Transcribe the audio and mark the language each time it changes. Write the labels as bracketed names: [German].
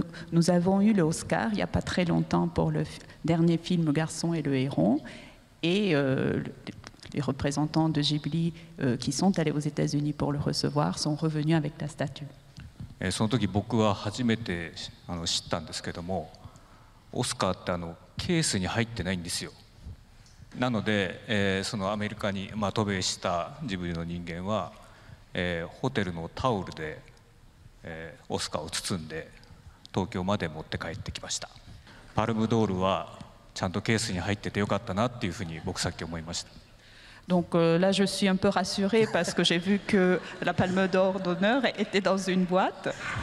[French] Nous avons eu le Oscar il y a pas très longtemps pour le dernier film Garçon et le Héron et Les représentants de Ghibli qui sont allés aux États-Unis pour le recevoir sont revenus avec la statue. [Japanese] その時僕は初めて知ったんですけども、オスカーってケースに入ってないんですよ。なのでそのアメリカに渡米したジブリの人間はホテルのタオルでオスカーを包んで東京まで持って帰ってきました。パルムドールはちゃんとケースに入っててよかったなっていうふうに僕さっき思いました。 [French] Donc là, je suis un peu rassurée parce que j'ai vu que la palme d'or d'honneur était dans une boîte.